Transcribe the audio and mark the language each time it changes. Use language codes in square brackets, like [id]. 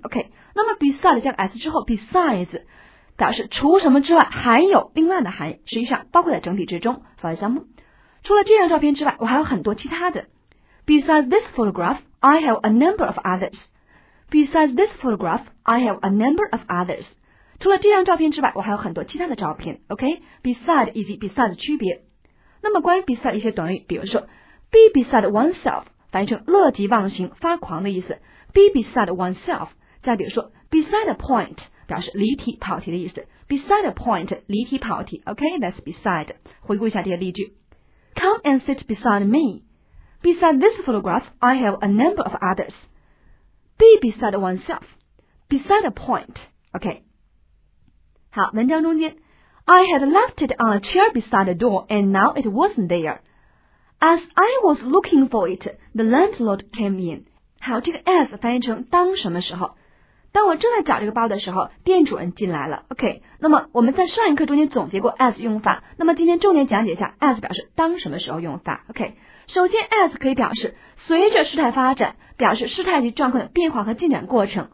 [zh] Okay, 那么 beside 加个 s 之后 ，besides 表示除什么之外，还有另外的含义，实际上包括在整体之中。 [en] For example, [zh] 除了这张照片之外，我还有很多其他的。 [en] Besides this photograph, I have a number of others. Besides this photograph, I have a number of others. [zh] 除了这张照片之外，我还有很多其他的照片。 Okay, beside 以及 beside 的区别。那么关于 beside 一些短语，比如说 [en] be beside oneself， [zh] 翻译成乐极忘形、发狂的意思。 [en] Be beside oneself， [zh] 再比如说 [en] beside a point， [zh] 表示离题、跑题的意思。 [en] Beside a point， [zh] 离题、跑题。 [en] Okay, that's beside。 [zh] 回顾一下这些例句。 [en] Come and sit beside me. Beside this photograph, I have a number of others. Be beside oneself. Beside a point. Okay. [zh] 好，文章中间。 [en] I had left it on a chair beside the door, and now it wasn't there. As I was looking for it, the landlord came in. [zh] 好，这个 as 翻译成当什么时候？当我正在找这个包的时候，店主人进来了。OK， 那么我们在上一课中间总结过 as 用法，那么今天重点讲解一下 as 表示当什么时候用法。 OK， 首先 as 可以表示随着事态发展，表示事态及状况的变化和进展过程。